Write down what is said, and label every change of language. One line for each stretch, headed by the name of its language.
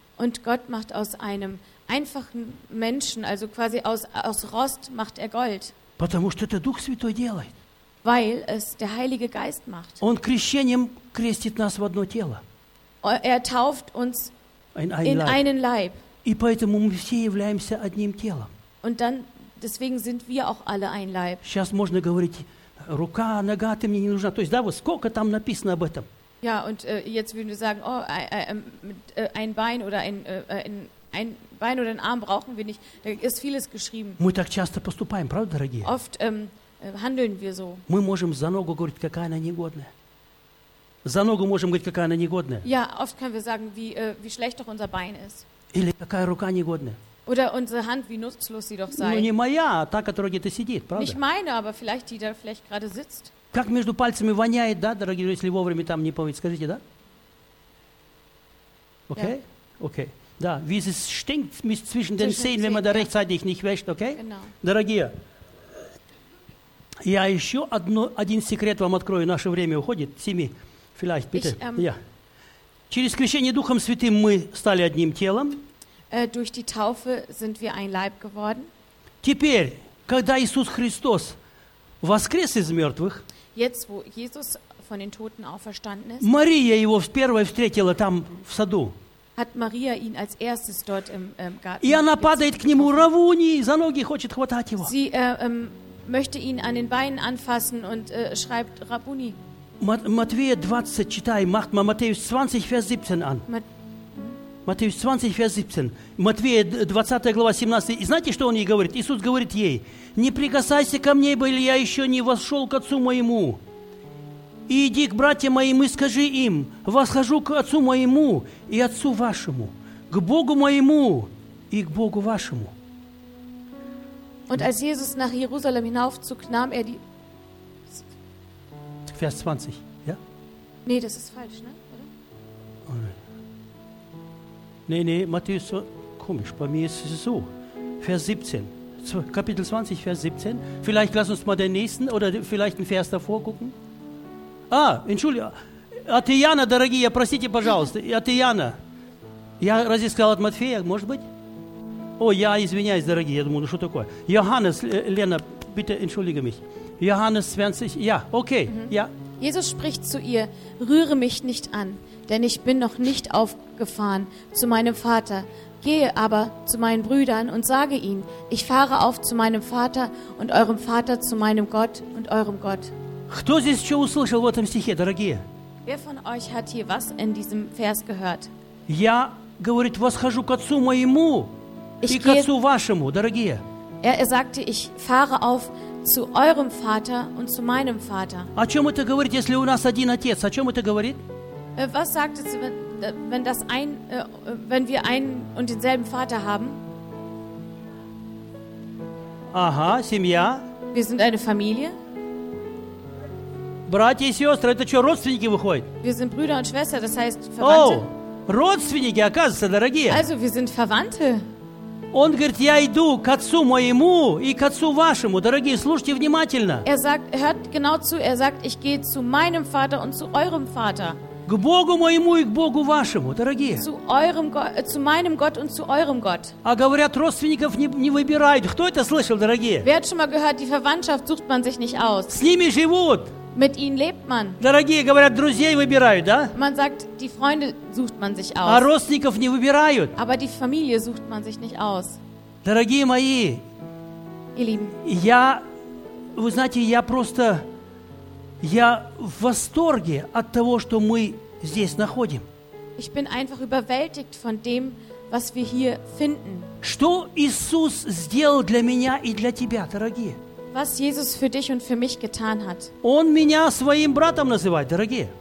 German: Und Gott macht aus einem einfachen Menschen, also quasi aus Rost, macht er Gold.
Russian: Потому что это Дух Святой делает.
German: Weil es der Heilige Geist macht.
Russian: Он крещением крестит нас в одно тело.
German: Er tauft uns in einen Leib.
Russian: И поэтому мы все являемся одним телом.
German: Und dann, deswegen sind wir auch alle ein Leib.
Russian: Сейчас можно говорить, рука, нога, ты мне не нужна. То есть, да, вот сколько там написано об этом?
German: Ja, und jetzt würden wir sagen, oh, ein Bein oder ein Arm brauchen wir nicht. Da ist vieles geschrieben.
Russian: Мы так часто поступаем, правда, дорогие?
German: Oft handeln wir so.
Russian: Мы можем за ногу говорить, какая она негодная. За ногу можем говорить, какая она негодная.
German: Ja, oft können wir sagen, wie schlecht doch unser Bein ist.
Russian: Или какая рука негодная.
German: Oder unsere Hand, wie nutzlos sie doch sei.
Russian: Ну, не моя, а та, которая где-то сидит, правда?
German: Nicht meine, aber vielleicht die da vielleicht gerade sitzt.
Russian: Как между пальцами воняет, да, дорогие друзья, если вовремя там не помыть, скажите, да? Окей? Окей.
German: Да, wie es stinkt zwischen den Zähnen, wenn man da rechtzeitig nicht wäscht, okay? Genau.
Russian: Дорогие, я еще один секрет вам открою, наше время уходит, семи,
German: vielleicht, bitte.
Russian: Через крещение Духом Святым мы стали одним телом.
German: Durch die Taufe sind wir ein Leib geworden.
Russian: Теперь, когда Иисус Христос воскрес из мертвых,
German: jetzt, wo Jesus von den Toten auferstanden ist,
Russian: Мария его первая встретила там, в саду.
German: Hat Maria ihn als erstes dort im Garten.
Russian: И она падает к нему, Равуни, за ноги хочет хватать его.
German: Sie möchte ihn an den Beinen anfassen und schreibt Rabuni.
Russian: Матвея 20 читай,
German: macht mal Matthäus 20 Vers 17 an. Matthäus 20 Vers 17.
Russian: Матвея 20 глава 17. И знаете, что он ей говорит? Иисус говорит ей: "Не прикасайся ко мне, ибо я еще не вошел к отцу моему. И иди к братьям моим и скажи им, восхожу к отцу моему и отцу вашему, к Богу моему и к Богу вашему."
German: Und als Jesus nach Jerusalem hinaufzog, nahm er die... Vers 20, ja? Nee, das ist falsch, ne? Oder? Nee, nee, Matthäus, komisch, bei mir ist es so. Vers 17, Kapitel 20, Vers 17. Vielleicht lass uns mal den nächsten oder vielleicht einen Vers davor gucken. А, иншулья.
Russian: От Иоанна, дорогие, простите, пожалуйста. От Иоанна. Я разве сказал от Матфея, может быть? О, я извиняюсь, дорогие, я думаю, ну что такое?
German: Йоханнес, Лена, bitte entschuldige mich. Йоханнес 20, ja, okay, ja. Jesus spricht zu ihr, rühre mich nicht an, denn ich bin noch nicht aufgefahren zu meinem Vater. Gehe aber zu meinen Brüdern und sage ihnen, ich fahre auf zu meinem Vater und eurem Vater, zu meinem Gott und eurem Gott.
Russian: Кто здесь что услышал в этом стихе, дорогие?
German: Wer von euch hat hier was in diesem Vers gehört?
Russian: Я, говорит, восхожу к отцу моему и к отцу вашему, дорогие.
German: Er sagte, ich fahre auf zu eurem Vater und zu meinem Vater.
Russian: О чем это говорит, если у нас один отец? О чем это говорит?
German: Was sagt es, wenn das ein, wenn wir einen und denselben Vater haben?
Russian: Ага, семья.
German: Wir sind eine Familie.
Russian: Братья и сестры, это что, родственники выходят?
German: Wir sind Brüder und Schwestern, das heißt Verwandte.
Russian: О, родственники, оказывается, дорогие.
German: Also, wir sind Verwandte.
Russian: Он говорит, я иду к отцу моему и к отцу вашему. Дорогие, слушайте внимательно.
German: Er sagt, hört genau zu, er sagt, ich gehe zu meinem Vater und zu eurem Vater.
Russian: К Богу моему и к Богу вашему, дорогие.
German: Zu eurem zu meinem Gott und zu eurem Gott.
Russian: А говорят, родственников не выбирают. Кто это слышал, дорогие?
German: Wer hat schon mal gehört, die Verwandtschaft sucht man sich nicht aus.
Russian: С ними живут.
German: Mit ihnen lebt man.
Russian: Дорогие, говорят, друзей выбирают, да?
German: Man sagt, die Freunde sucht man sich aus.
Russian: А родственников не выбирают.
German: Aber die Familie sucht man sich nicht aus.
Russian: Дорогие мои,
German: ihr Lieben,
Russian: я, вы знаете, я просто, я в восторге от того, что мы здесь находим.
German: Ich bin einfach überwältigt von dem, was wir hier finden.
Russian: Что Иисус сделал для меня и для тебя, дорогие?
German: Was Jesus für dich und für mich getan hat.
Russian: Он меня своим братом называет, дорогие.